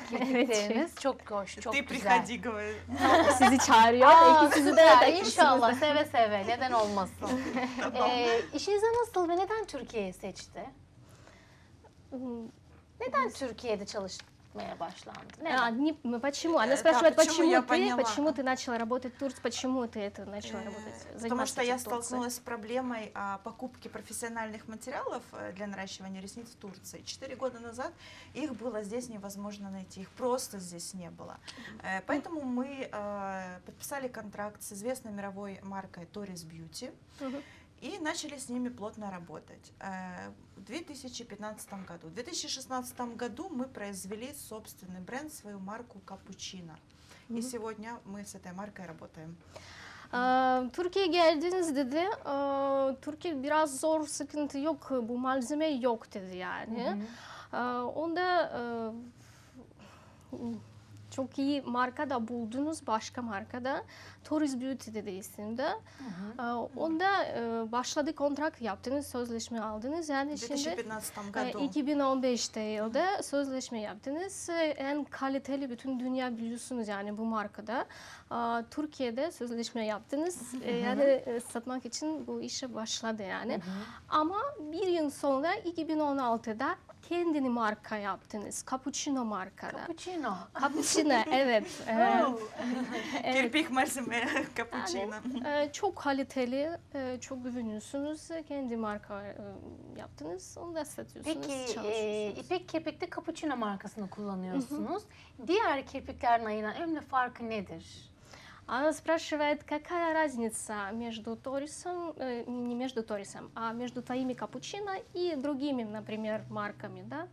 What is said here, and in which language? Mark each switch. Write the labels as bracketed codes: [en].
[tr] Kirpikleriniz çok hoş, çok güzel. Sizi çağırıyor. Aa, peki sizi de inşallah seve seve. Neden olmasın? İşinize nasıl ve neden Türkiye'yi seçti? Neden Türkiye'de çalışmaya başlandı? [ru] Почему? Она спрашивает, почему ты начала работать в Турции? Почему ты это начала работать? Потому что я столкнулась с проблемой покупки профессиональных материалов для наращивания ресниц в Турции. 4 года назад их было здесь невозможно найти. Их просто здесь не было. Поэтому мы подписали контракт с известной мировой маркой Torres Beauty. И начали с ними плотно работать. В 2015 году. В 2016 году мы произвели собственный бренд, свою марку «Капучино». И сегодня мы с этой маркой работаем. [tr] Türkiye geldiniz dedi. Türkiye biraz zor, sıkıntı yok, bu malzeme yok dedi yani. Onda çok iyi marka da buldunuz başka markada. Torus Beauty'de de isimde. Onda başladı kontrak yaptınız, sözleşme aldınız. Yani şimdi 2015'te yılda sözleşme yaptınız. En kaliteli bütün dünya biliyorsunuz yani bu markada. Türkiye'de sözleşme yaptınız. Yani satmak için bu işe başladı yani. Ama bir yıl sonra 2016'da kendini marka yaptınız. Cappuccino markada. Cappuccino. Cappuccino, evet. Kirpik malzeme, cappuccino. Çok kaliteli, çok güveniyorsunuz. Kendi marka yaptınız, onu da satıyorsunuz, peki, çalışıyorsunuz. İpek Kirpik'te cappuccino markasını kullanıyorsunuz. Diğer kirpiklerin ayına önemli farkı nedir? [ru] Она спрашивает, какая разница между Торисом, не между Торисом, а между твоими капучино и другими, например, марками, да?